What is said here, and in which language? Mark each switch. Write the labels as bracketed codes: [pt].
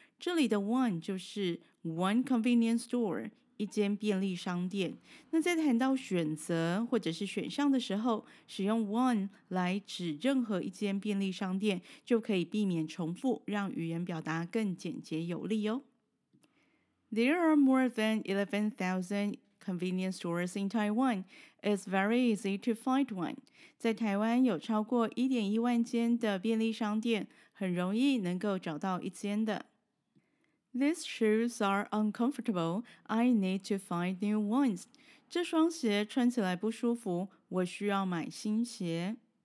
[zh] 这里的 one 就是 [en] one convenience store, [zh] 一间便利商店。那在谈到选择或者是选项的时候，使用 one 来指任何一间便利商店，就可以避免重复，让语言表达更简洁有力哦。 [en] There are more than 11,000convenience stores in Taiwan. It's very easy to find one. [zh] 在台湾有超过 1.1 万间的便利商店，很容易能够找到一间的。 [en] These shoes are uncomfortable. I need to find new ones. [zh] 这双鞋穿起来不舒服，我需要买新鞋。